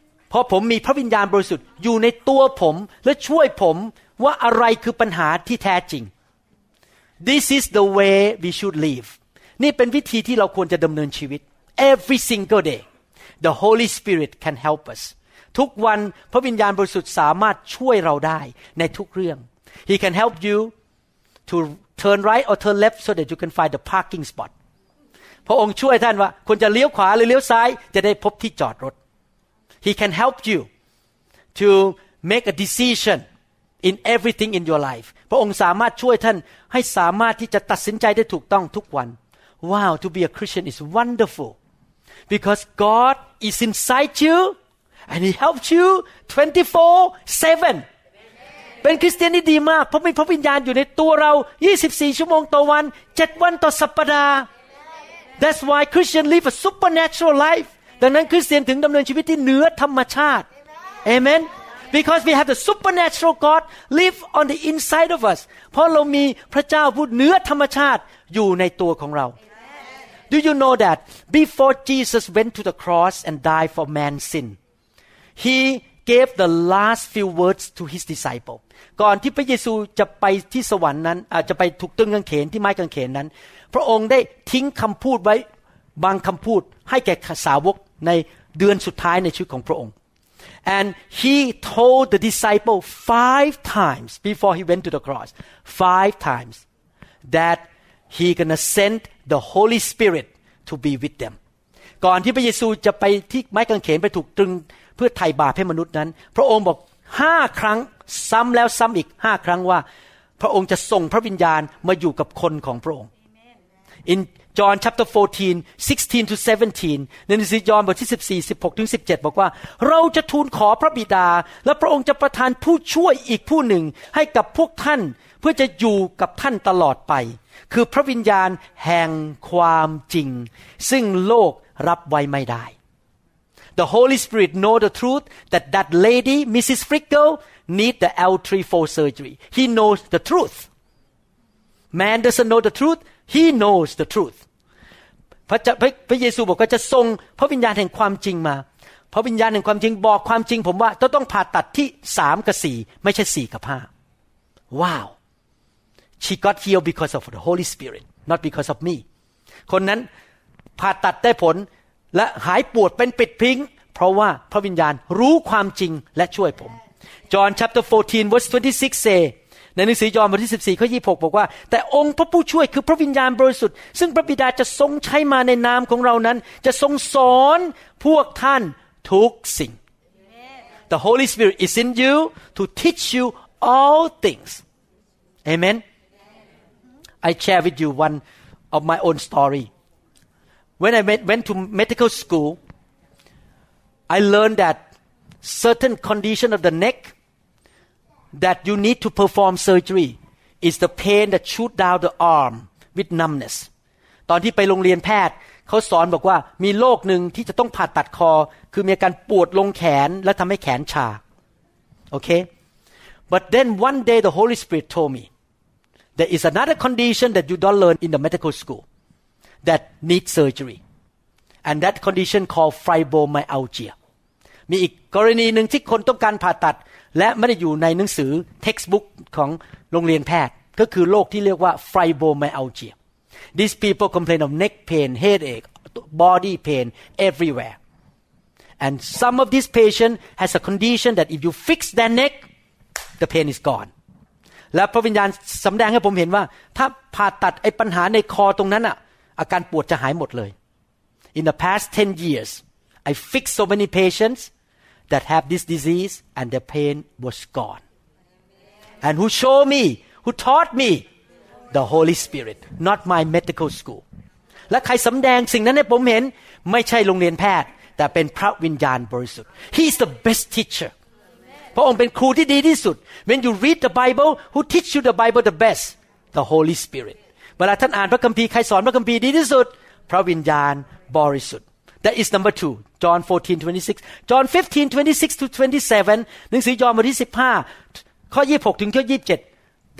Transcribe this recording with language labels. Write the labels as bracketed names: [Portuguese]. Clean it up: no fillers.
[Thai] เพราะผมมีพระวิญญาณบริสุทธิ์อยู่ในตัวผมและช่วยผมว่าอะไรคือปัญหาที่แท้จริง [English] This is the way we should live [Thai] นี่เป็นวิธีที่เราควรจะดำเนินชีวิต [English] Every single day the Holy Spirit can help us [Thai] ทุกวันพระวิญญาณบริสุทธิ์สามารถช่วยเราได้ในทุกเรื่อง [English] He can help you to turn right or turn left so that you can find the parking spot [Thai] พระองค์ช่วยท่านว่าควรจะเลี้ยวขวาหรือเลี้ยวซ้ายจะได้พบที่จอดรถ [English] He can help you to make a decision in everything in your life. [Thai] พระองค์สามารถช่วยท่านให้สามารถที่จะตัดสินใจได้ถูกต้องทุกวัน [English] Wow, to be a Christian is wonderful because God is inside you and He helps you 24/7. [Thai] เป็นคริสเตียนที่ดีมากเพราะมีพระวิญญาณอยู่ในตัวเรา24ชั่วโมงต่อวัน7วันต่อสัปดาห์ [English] That's why Christians live a supernatural life. [Thai] ดังนั้นคริสเตียนถึงดำเนินชีวิตที่เหนือธรรมชาติ [English] Amen. Because we have the supernatural God live on the inside of us. [Thai] เพราะเรามีพระเจ้าผู้เหนือธรรมชาติอยู่ในตัวของเรา [English] Do you know that before Jesus went to the cross and died for man's sin, He gave the last few words to His disciples. [Thai] ก่อนที่พระเยซูจะไปที่สวรรค์นั้นอาจจะไปถูกตรึงกางเขนที่ไม้กางเขนนั้นพระองค์ได้ทิ้งคำพูดไว้บางคำพูดให้แก่สาวกในเดือนสุดท้ายในชีวิตของพระองค์ [English] And he told the disciple five times before he went to the cross five times that he gonna send the Holy Spirit to be with them [Thai] ก่อนที่พระเยซูจะไปที่ไม้กางเขนไปถูกตรึงเพื่อไถ่บาปให้มนุษย์นั้นพระองค์บอก5ครั้งซ้ำแล้วซ้ำอีก5ครั้งว่าพระองค์จะส่งพระวิญญาณมาอยู่กับคนของพระองค์ [English] In John chapter 14, 16 to 17, [Thai] ในหนังสือยอห์นบทที่14 16ถึง17บอกว่าเราจะทูลขอพระบิดาและพระองค์จะประทานผู้ช่วยอีกผู้หนึ่งให้กับพวกท่านเพื่อจะอยู่กับท่านตลอดไปคือพระวิญญาณแห่งความจริงซึ่งโลกรับไว้ไม่ได้ [English] The Holy Spirit know the truth that that lady, Mrs. Frickel, need the L3-4 surgery. He knows the truth. Man doesn't know the truth. He knows the truth. [Thai] พระเยซูบอกว่าจะส่งพระวิญญาณแห่งความจริงมาพระวิญญาณแห่งความจริงบอกความจริงผมว่าต้องผ่าตัดที่3กับ4ไม่ใช่4กับ5 [English] Wow. She got healed because of the Holy Spirit, not because of me. [Thai] คนนั้นผ่าตัดได้ผลและหายปวดเป็นปิดพิงเพราะว่าพระวิญญาณรู้ความจริงและช่วยผม [English] John chapter 14 verse 26 say [Thai] ในหนังสือยอห์นบทที่14ข้อ26บอกว่าแต่องค์พระผู้ช่วยคือพระวิญญาณบริสุทธิ์ซึ่งพระบิดาจะทรงใช้มาในนามของเรานั้นจะทรงสอนพวกท่านทุกสิ่ง [English] The Holy Spirit is in you to teach you all things Amen I share with you one of my own story When I went to medical school I learned that certain condition of the neckThat you need to perform surgery is the pain that shoot down the arm with numbness. [Thai] ตอนที่ไปโรงเรียนแพทย์เขาสอนบอกว่ามีโรคหนึ่งที่จะต้องผ่าตัดคอคือมีอาการปวดลงแขนและทำให้แขนชาโอเค [English] But then one day the Holy Spirit told me there is another condition that you don't learn in the medical school that needs surgery, and that condition called fibromyalgia. [Thai] มีอีกกรณีหนึ่งที่คนต้องการผ่าตัดและไม่ได้อยู่ในหนังสือเท็กซ์บุ๊กของโรงเรียนแพทย์ก็คือโรคที่เรียกว่าไฟโบไมอัลเจีย [English] These people complain of neck pain, headache, body pain everywhere. And some of these patients has a condition that if you fix their neck, the pain is gone. [Thai] และพระวิญญาณสำแดงให้ผมเห็นว่าถ้าผ่าตัดไอ้ปัญหาในคอตรงนั้นอ่ะอาการปวดจะหายหมดเลย [English] In the past 10 years, I fixed so many patientsThat have this disease and the pain was gone. And who showed me, who taught me, the Holy Spirit, not my medical school. [Thai] และใครสำแดงสิ่งนั้นให้ผมเห็นไม่ใช่โรงเรียนแพทย์แต่เป็นพระวิญญาณบริสุทธิ์ [English] He is the best teacher. [Thai] พระองค์เป็นครูที่ดีที่สุด [English] When you read the Bible, who teach you the Bible the best? The Holy Spirit. [Thai] เวลาท่านอ่านพระคัมภีร์ใครสอนพระคัมภีร์ดีที่สุด พระวิญญาณบริสุทธิ์ [English] That is number two, John 14, 26. John 15, 26 to 27, [Thai] หนังสือยอห์นบทที่15, ข้อ26ถึงข้อ27.